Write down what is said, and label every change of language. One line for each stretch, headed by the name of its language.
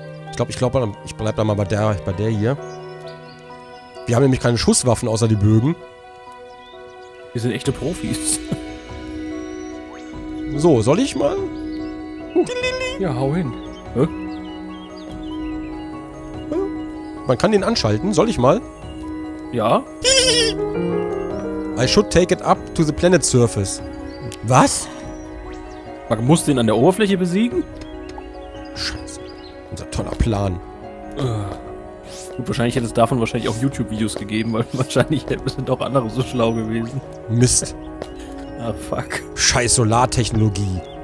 German: Ich glaube, ich bleib da mal bei der hier. Wir haben nämlich keine Schusswaffen außer die Bögen. Wir sind echte Profis. So, soll ich mal? Ja, hau hin. Hä? Man kann den anschalten, soll ich mal? Ja.
English: I should take it up to the planet surface.
German: Was? Man muss den an der Oberfläche besiegen? Scheiße. Unser toller Plan. Gut, wahrscheinlich hätte es davon wahrscheinlich auch YouTube-Videos gegeben, weil wahrscheinlich sind auch andere so schlau gewesen. Mist.
English: Ah, fuck.
German: Scheiß Solartechnologie.